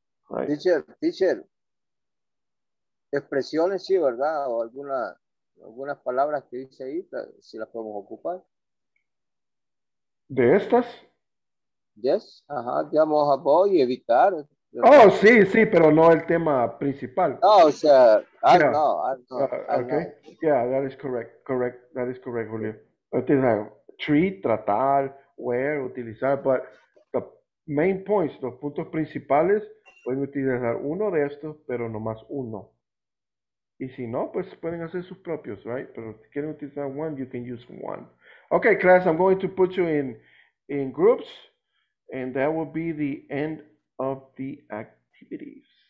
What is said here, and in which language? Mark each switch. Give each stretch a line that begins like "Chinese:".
English: Right.
Spanish: Teacher. Expresiones, sí, ¿verdad? O algunas palabras que dice ahí, si las podemos ocupar. ¿De estas? Yes, ajá, digamos apoyo y evitar. Oh, sí, sí, pero no el tema principal. No, o sea,
English: I don't know. Okay, yeah, that is correct, that is correct, Julio. It's like treat,
Spanish: tratar,
English: wear,
Spanish: utilizar,
English: but the main points,
Spanish: los puntos principales, pueden utilizar uno de estos, pero no más uno. Y si no, pues pueden hacer sus propios,
English: right?
Spanish: Pero si quieren utilizar one,
English: you can use one. Okay, class, I'm going to put you in groups. And that will be the end of the activities.